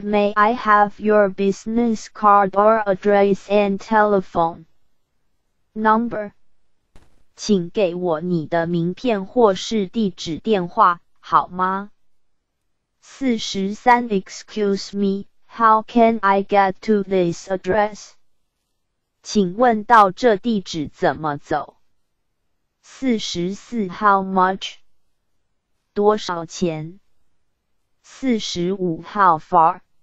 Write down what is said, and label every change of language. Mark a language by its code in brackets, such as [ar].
[en] May I have your business card or address and telephone number? [zh] 请给我你的名片或是地址电话，好吗？ [en] 43. Excuse me. How can I get to this address? [zh] 请问到这地址怎么走？ [en] 44. How much? [zh] 多少钱？ [en] 45. How far?